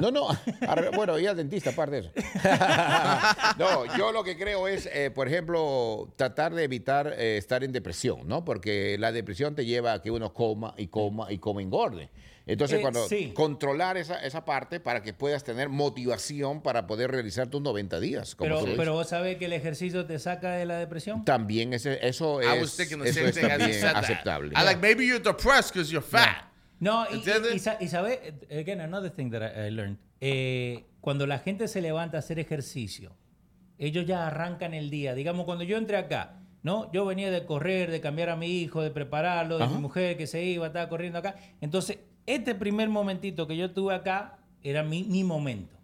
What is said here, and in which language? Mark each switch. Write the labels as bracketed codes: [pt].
[es] No, bueno, y al dentista, aparte de eso. No, yo lo que creo es, por ejemplo, tratar de evitar estar en depresión, ¿no? Porque la depresión te lleva a que uno coma y coma y coma engorde. Entonces, cuando sí. Controlar esa parte para que puedas tener motivación para poder realizar tus 90 días. Como pero vos sabés que el ejercicio te saca de la depresión. También eso es también aceptable. [en] I like maybe you're depressed because you're fat. Yeah. [es] No, y sabés, [en] again, another thing that I learned. [es] Cuando la gente se levanta a hacer ejercicio, ellos ya arrancan el día. Digamos, cuando yo entré acá, ¿no? Yo venía de correr, de cambiar a mi hijo, de prepararlo, de mi mujer que se iba, estaba corriendo acá. Entonces, este primer momentito que yo tuve acá era mi momento.